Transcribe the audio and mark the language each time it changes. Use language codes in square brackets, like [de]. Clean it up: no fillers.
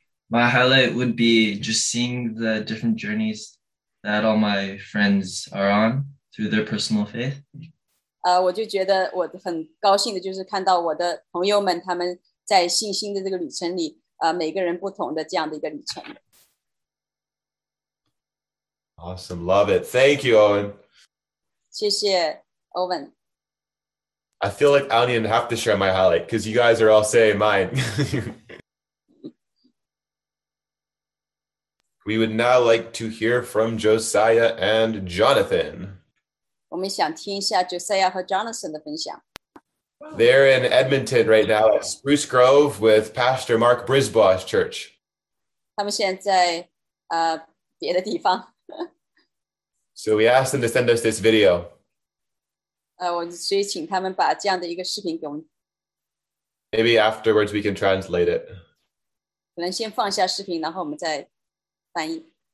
[en] My highlight would be just seeing the different journeys that all my friends are on through their personal faith. [zh] 我就觉得我很高兴的就是看到我的朋友们他们在信心的这个旅程里 每个人不同的这样的一个旅程。 [en] Awesome, love it. Thank you, Owen. [zh] 谢谢,Owen. [en] I feel like I don't even have to share my highlight because you guys are all saying mine. We would now like to hear from Josiah and Jonathan. [zh] 我们想听一下 Josiah 和 Jonathan 的分享。 [en] They're in Edmonton right now at Spruce Grove with Pastor Mark Brisbois Church. [zh] 他们现在在 别的地方。 [en] So we asked them to send us this video. [zh] 所以请他们把这样的一个视频给我们。 [en] Maybe afterwards we can translate it. [zh] 可能先放下视频，然后我们再翻译。